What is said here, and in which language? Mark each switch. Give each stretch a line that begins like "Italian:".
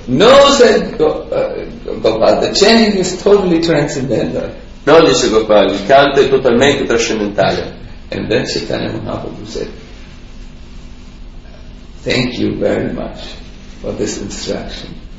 English: No, said Gopal, the chanting is totally transcendental.
Italian: No, disse Gopal, il canto è totalmente trascendentale.
English: And then Chaitanya Mahaprabhu said, thank you very much for this instruction.